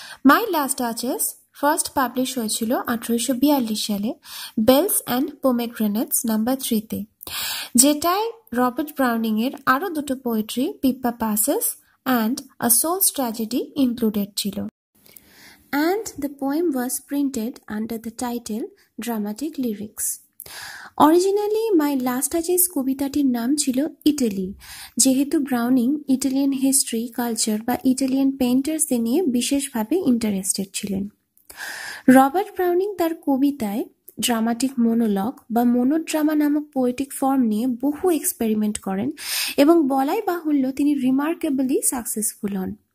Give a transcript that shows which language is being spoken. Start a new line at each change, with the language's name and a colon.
Bangla: মাই last duchess first publish হয়েছিল 1842 সালে bells and পোমেগ্রেনেটস number 3-তে, যেটায় রবার্ট ব্রাউনিংয়ের আরও দুটো poetry পিপা passes and a sols tragedy included ছিল।
English: And the poem was printed under the title Dramatic Lyrics.
Bangla: Originally, my last Duchess কবিতাটির নাম ছিল Italy, যেহেতু ব্রাউনিং ইটালিয়ান হিস্ট্রি, কালচার বা ইটালিয়ান পেইন্টার্স নিয়ে বিশেষভাবে ইন্টারেস্টেড ছিলেন। রবার্ট ব্রাউনিং তার কবিতায় ড্রামাটিক মনোলগ বা মনোড্রামা নামক পোয়েটিক ফর্ম নিয়ে বহু এক্সপেরিমেন্ট করেন এবং বলাই বাহুল্য তিনি রিমার্কেবলি সাকসেসফুল হন।